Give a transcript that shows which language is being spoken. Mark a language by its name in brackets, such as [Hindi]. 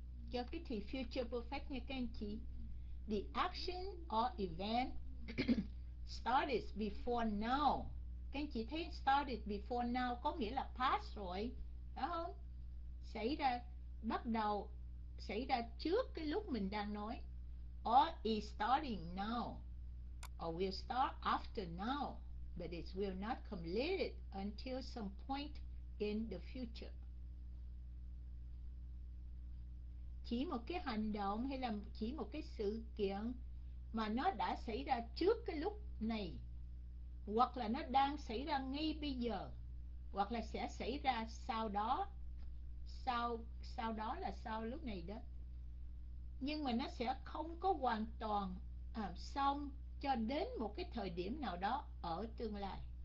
[Vietnamese] Cho cái thì future perfect nha các anh chị. [English] The action or event started before now. [Vietnamese] Các anh chị thấy [English] started before now [Vietnamese] có nghĩa là past rồi, phải không? Xảy ra, bắt đầu, xảy ra trước cái lúc mình đang nói. [English] Or is starting now, or will start after now, but it will not complete it until some point in the future. [Vietnamese] Chỉ một cái hành động hay là chỉ một cái sự kiện mà nó đã xảy ra trước cái lúc này, hoặc là nó đang xảy ra ngay bây giờ, hoặc là sẽ xảy ra sau đó. Sau đó là sau lúc này đó, nhưng mà nó sẽ không có hoàn toàn xong cho đến một cái thời điểm nào đó ở tương lai.